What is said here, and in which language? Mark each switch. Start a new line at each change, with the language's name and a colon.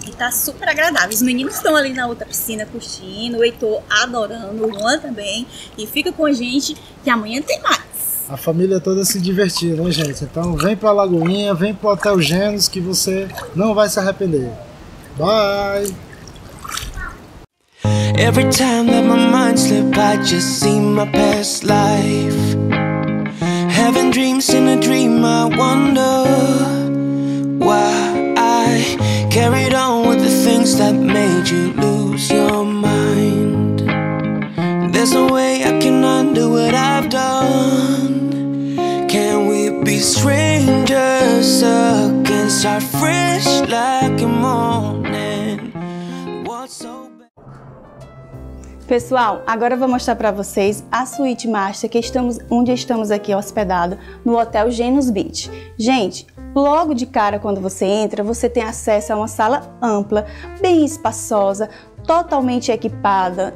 Portuguese: E tá super agradável. Os meninos estão ali na outra piscina curtindo, o Heitor adorando, o Juan também. E fica com a gente, que amanhã tem mais. A família toda se divertindo, né, gente? Então, vem pra Lagoinha, vem pro Hotel Genus, que você não vai se arrepender. Bye!
English: Every time that my mind slips, I just see my past life. Having dreams in a dream, I wonder why I carried on with the things that made you lose your mind. There's no way I can undo what I've done. Can we be strangers again? Start fresh like a morning.
Portuguese: What's so pessoal, agora eu vou mostrar para vocês a suíte master que estamos, onde estamos aqui hospedados no Hotel Genus Beach. Gente, logo de cara quando você entra, você tem acesso a uma sala ampla, bem espaçosa, totalmente equipada.